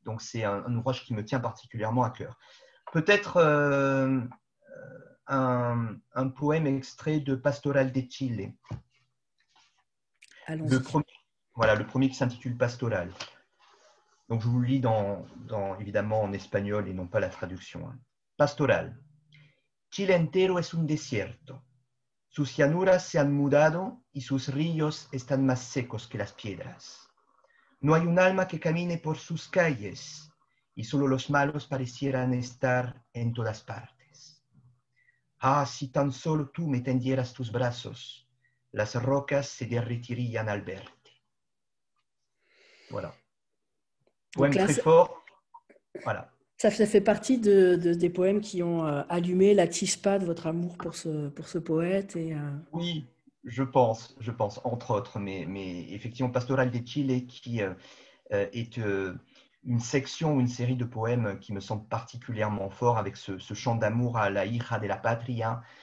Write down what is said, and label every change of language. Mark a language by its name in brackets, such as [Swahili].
[French] Donc c'est un ouvrage qui me tient particulièrement à cœur. Peut-être un poème extrait de Pastoral de Chile. Le Allons-y. premier, voilà, le premier qui s'intitule Pastoral. Donc je vous le lis évidemment en espagnol et non pas la traduction. [Spanish] Pastoral. Chile entero es un desierto. Sus llanuras se han mudado y sus ríos están más secos que las piedras. No hay un alma que camine por sus calles y solo los malos parecieran estar en todas partes. Ah, si tan solo tú me tendieras tus brazos. Las rocas se derretirían al verte. [French] Voilà. Donc Poème très fort. Voilà. Ça fait partie des poèmes qui ont allumé la tispa de votre amour pour ce poète et Oui, je pense, entre autres, mais effectivement, Pastorale de Chile, qui est une section ou une série de poèmes qui me semble particulièrement fort avec ce chant d'amour à [Spanish] la hija de la patria.